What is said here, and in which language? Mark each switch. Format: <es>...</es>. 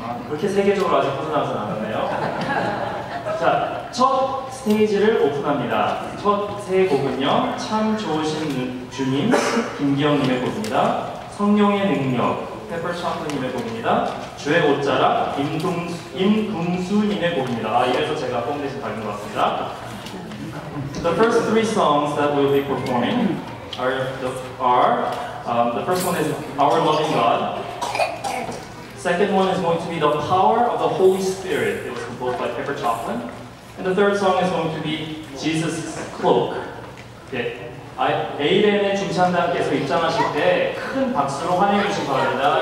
<ko>그렇게 세계적으로 아직 벗어나진 않았네요. 자, 첫 스테이지를 오픈합니다. 첫 세 곡은요, 참 좋으신 주님, 김기영님의 곡입니다. 성령의 능력, 페퍼샴프님의 곡입니다. 주의 옷자락, 임궁수님의 곡입니다. 이래서 제가 꽁대신 받은 것 같습니다.</ko> <en>The first three songs that we'll be performing the first one is Our Loving God. Second one is going to be The Power of the Holy Spirit. It was composed by Pepper Chaplin. And the third song is going to be Jesus' Cloak.</en> <ko>예, 에이레네 중찬단께서 입장하실 때 큰 박수로 환영해 주시기 바랍니다.</ko>